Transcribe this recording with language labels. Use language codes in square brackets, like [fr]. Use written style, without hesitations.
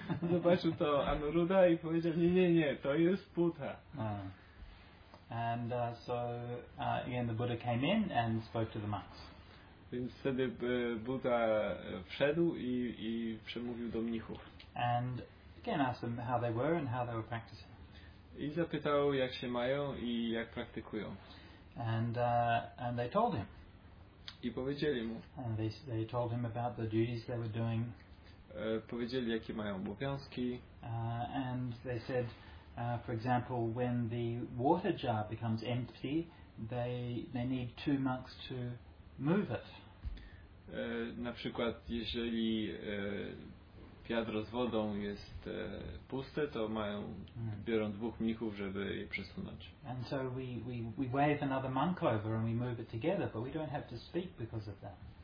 [pl] Zobaczył to Anuruddha i powiedział, "Nie, nie, nie, to jest Buddha." [en] And again, the Buddha came in and spoke to the monks. [pl] Więc wtedy Buddha wszedł i przemówił do mnichów. [en] And again asked them how they were and how they were practicing. [pl] I zapytał, jak się mają i jak praktykują. [en] And they told him. [pl] I powiedzieli mu. [en] And they told him about the duties they were doing. [pl] Powiedzieli, jakie mają obowiązki. [en] And they said, for example, when the water jar becomes empty, they need two monks to move it. [pl] Na przykład, jeżeli wiadro z wodą jest puste, to mają biorą dwóch mnichów, żeby je przesunąć. [en] And so we wave another monk over and we move it together, but we don't have to speak because of that.